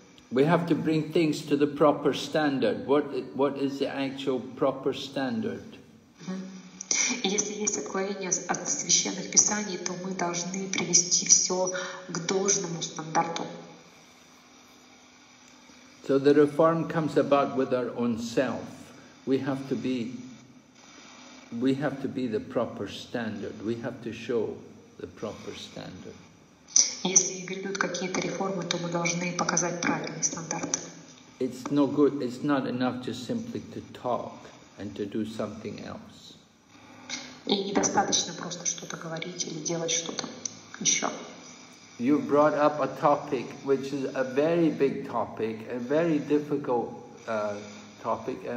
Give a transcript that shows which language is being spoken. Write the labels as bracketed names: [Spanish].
[English] We have to bring things to the proper standard. What is the actual proper standard? [Russian] Если есть отклонение от священных писаний, то мы должны привести все к должному стандарту. [English] So the reform comes about with our own self. We have to be the proper standard. We have to show the proper standard. [Russian] Если ведут какие-то реформы, то мы должны показать правильный стандарт. [English] It's no good. It's not enough just simply to talk and to do something else. [Russian] И недостаточно просто что-то говорить или делать что-то еще. [English] You brought up a topic which is a very big topic, a very difficult topic.